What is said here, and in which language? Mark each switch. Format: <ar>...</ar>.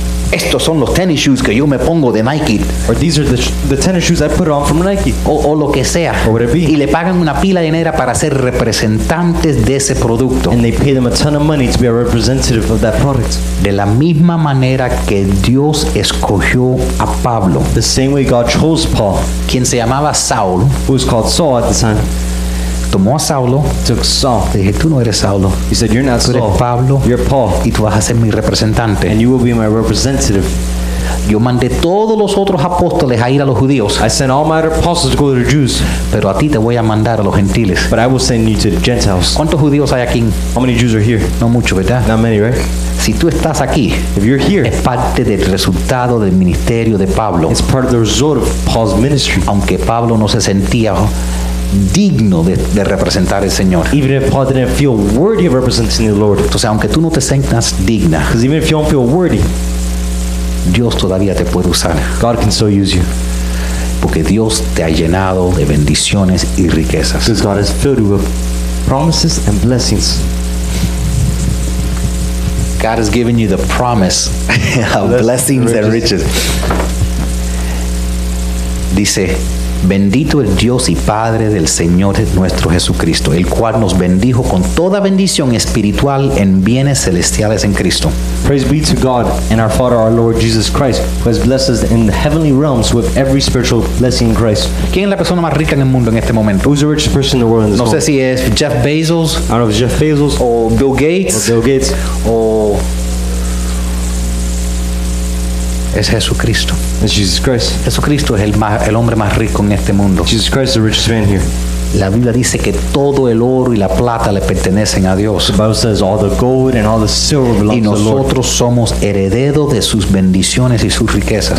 <es>Estos son los tenis shoes que yo me pongo de Nike.</es> <en>Or these are the tennis shoes I put on from Nike.</en> <es>O lo que sea.</es> <en>Or whatever it be.</en> <es>Y le pagan una pila de dinero para ser representantes de ese producto.</es> <en>And they pay them a ton of money to be a representative of that product.</en> <es>De la misma manera que Dios escogió a Pablo.</es> <en>The same way God chose Paul.</en> <es>Quien se llamaba Saul.</es> <en>Who was called Saul at the time.</en> <es>Tomó a Saulo.</es> <en>Took Saul.</en> <es>Le dije, tú no eres Saulo.</es> <en>He said, you're not</en> <es>tú eres</es> <en>Saul.</en> <es>Pablo.</es> <en>You're Paul.</en> <es>Y tú vas a ser mi representante.</es> <en>And you will be my representative.</en> <es>Yo mandé todos los otros apóstoles a ir a los judíos.</es> <en>I sent all my other apostles to go to the Jews.</en> <es>Pero a ti te voy a mandar a los gentiles.</es> <en>But I will send you to the Gentiles.</en> <es>¿Cuántos judíos hay aquí?</es> <en>How many Jews are here?</en> <es>No mucho, ¿verdad?</es> <en>Not many, right?</en> <es>Si tú estás aquí,</es> <en>if you're here,</en> <es>es parte del resultado del ministerio de Pablo.</es> <en>It's part of the result of Paul's ministry.</en> <es>Aunque Pablo no se sentía digno de representar al Señor.</es> <en>Even if Paul didn't feel worthy of representing the Lord.</en> <es>Entonces, aunque tú no te sientas digna,</es> <en>because even if you don't feel worthy,</en> <es>Dios todavía te puede usar.</es> <en>God can still use you.</en> <es>Porque Dios te ha llenado de bendiciones y riquezas.</es> <en>Because God has filled you with promises and blessings. God has given you the promise of blessings and riches.</en> <es>Dice, bendito es Dios y Padre del Señor nuestro Jesucristo, el cual nos bendijo con toda bendición espiritual en bienes celestiales en Cristo.</es> <en>Praise be to God and our Father, our Lord Jesus Christ, who has blessed us in the heavenly realms with every spiritual blessing in Christ.</en> <es>¿Quién es la persona más rica en el mundo en este momento?</es> <en>Who's the richest person in the world in this</en> <es>no</es> <en>moment?</en> <es>No sé si es Jeff Bezos.</es> <en>I don't know if Jeff Bezos. Or Bill Gates. Or Bill Gates. Or...</en> <es>Es Jesucristo.</es> <en>It's Jesus Christ.</en> <es>Jesucristo es el hombre más rico en este mundo.</es> <en>Jesus Christ is the richest man here.</en> <es>La Biblia dice que todo el oro y la plata le pertenecen a Dios.</es> <en>The Bible says all the gold and all the silver belongs to the Lord.</en> <es>Y nosotros somos heredero de sus bendiciones y sus riquezas.</es>